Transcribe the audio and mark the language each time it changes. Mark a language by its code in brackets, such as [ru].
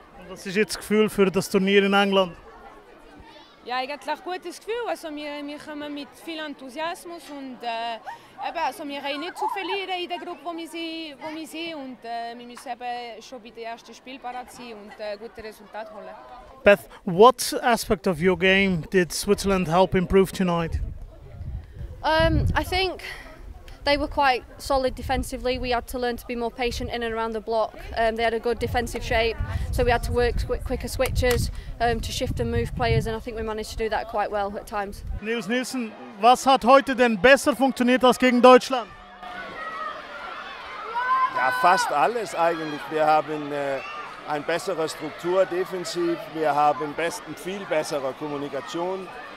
[de] Und was ist jetzt das Gefühl für das Turnier in England? Ja, eigentlich ein gutes Gefühl. Also, wir kommen mit viel Enthusiasmus. Und wir haben nicht zu verlieren in der Gruppe, wo wir sind. Und wir müssen eben schon bei den ersten Spielen parat sein und gute Resultate holen. [en] Beth, what aspect of your game did Switzerland help improve tonight? I think they were quite solid defensively. We had to learn to be more patient in and around the block. They had a good defensive shape, so we had to work quicker switches to shift and move players, and I think we managed to do that quite well at times. [de] Nils Nielsen, was hat heute denn besser funktioniert als gegen Deutschland? Ja, fast alles eigentlich. Wir haben eine bessere Struktur defensiv, wir haben viel bessere Kommunikation.